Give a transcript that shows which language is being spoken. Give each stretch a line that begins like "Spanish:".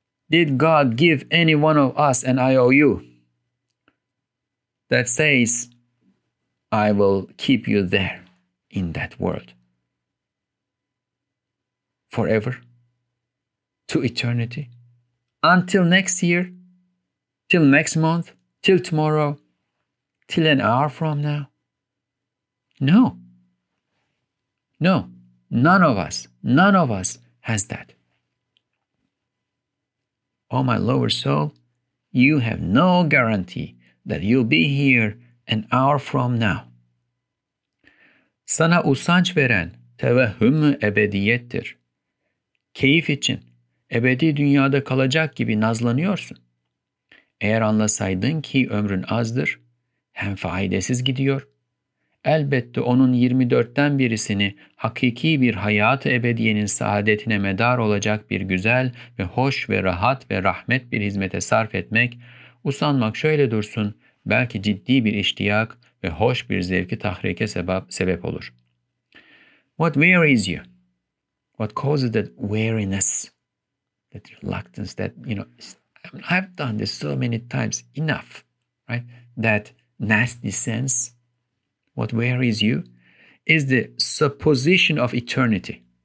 English: Did God give any one of us an IOU that says, I will keep you there in that world forever, to eternity, until next year, till next month, till tomorrow, till an hour from now? No. No. None of us has that. Oh, my lower soul, you have no guarantee that you'll be here an hour from now.
Turkish: Sana usanç veren tevehhüm ebediyettir. Keyif için ebedi dünyada kalacak gibi nazlanıyorsun. Eğer anlasaydın ki ömrün azdır, hem faydasız gidiyor, elbette onun 24'ten birisini hakiki bir hayat-ı ebediyenin saadetine medar olacak bir güzel ve hoş ve rahat ve rahmet bir hizmete sarf etmek, usanmak şöyle dursun, belki ciddi bir iştiyak ve hoş bir zevki tahrike sebep olur.
English: What wearies you? What causes that weariness? That reluctance, that, you know, I've done this so many times, enough, right? That nasty sense, what wearies you, is the supposition of eternity.